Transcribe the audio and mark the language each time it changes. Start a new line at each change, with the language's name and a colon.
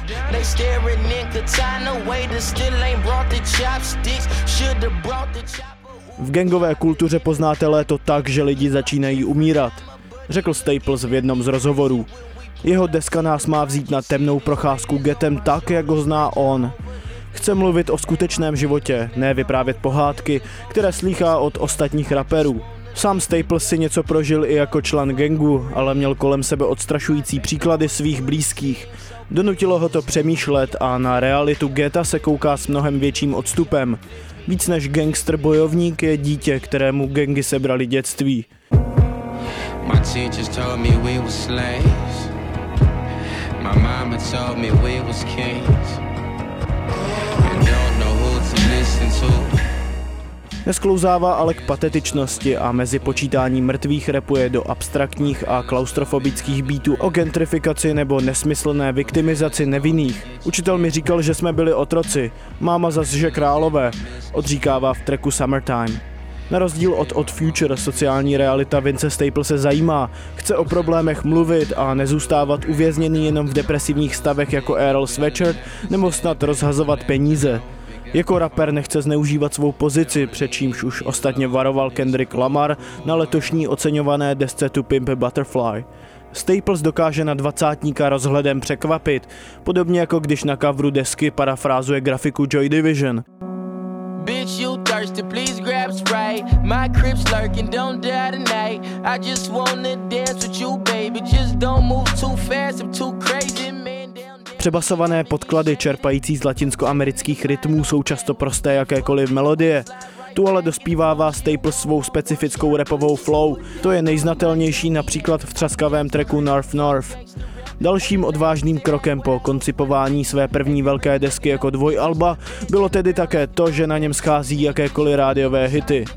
English: They staring in Katana, waiter still ain't brought the chopsticks, should've brought the chopper.
Czech: V gangové kultuře poznáte léto tak, že lidi začínají umírat, řekl Staples v jednom z rozhovorů. Jeho deska nás má vzít na temnou procházku getem tak, jak ho zná on. Chce mluvit o skutečném životě, ne vyprávět pohádky, které slýchá od ostatních rapperů. Sám Staples si něco prožil i jako člen gangu, ale měl kolem sebe odstrašující příklady svých blízkých. Donutilo ho to přemýšlet a na realitu getta se kouká s mnohem větším odstupem. Víc než gangster bojovník je dítě, kterému gangy sebrali dětství.
English: My teachers told me we were slaves. My mama told me we was kings. I don't know who to listen to.
Czech: Nesklouzává ale k patetičnosti a mezi počítáním mrtvých rapuje do abstraktních a klaustrofobických beatů o gentrifikaci nebo nesmyslné viktimizaci nevinných. Učitel mi říkal, že jsme byli otroci, máma zas, že králové, odříkává v tracku Summertime. Na rozdíl od Odd Future, sociální realita Vince Staples se zajímá, chce o problémech mluvit a nezůstávat uvězněný jenom v depresivních stavech jako Earl Sweatshirt nebo snad rozhazovat peníze. Jako rapper nechce zneužívat svou pozici, přečímž už ostatně varoval Kendrick Lamar na letošní oceňované desce To Pimp a Butterfly. Staples dokáže na dvacátníka rozhledem překvapit, podobně jako když na coveru desky parafrázuje grafiku Joy Division.
English: Bitch, you thirsty, please grab Sprite. My crib's lurking, don't die tonight. I just wanna dance with you, baby. Just don't move too fast, I'm too crazy, man.
Czech: Přebasované podklady čerpající z latinskoamerických rytmů jsou často prosté jakékoliv melodie. Tu ale dospívává Staples svou specifickou rapovou flow, to je nejznatelnější například v třaskavém tracku North North. Dalším odvážným krokem po koncipování své první velké desky jako dvojalba bylo tedy také to, že na něm schází jakékoliv rádiové hity.